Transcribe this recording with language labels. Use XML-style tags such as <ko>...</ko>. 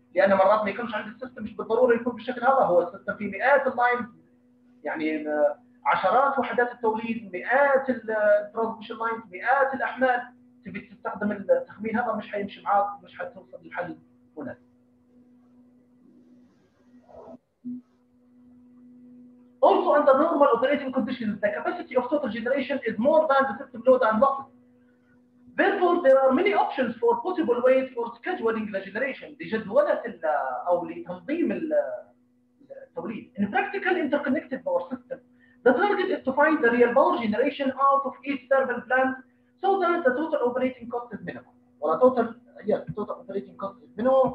<ar>لأن مرات ما يكونش عند السيستم، مش بالضروري يكون بالشكل هذا، هو السيستم فيه مئات اللاينز، يعني عشرات وحدات التوليد، مئات الترانسميشن لاينز، مئات الأحمال، تبي تستخدم التخمين هذا مش حيمشي معاك، مش حتوصل للحل هنا.</ar> <en>Also under normal operating conditions the capacity of total generation is more than the system load and buffer. Therefore, there are many options for possible ways for scheduling the generation.</en> <ar>لجدولة أو لتنظيم التوليد.</ar> <en>In a practical interconnected power system, the target is to find the real power generation out of each turbine plant so that the total operating cost is minimal.</en> <ar>ولا</ar> <en>total, yes, total operating cost is minimal.</en>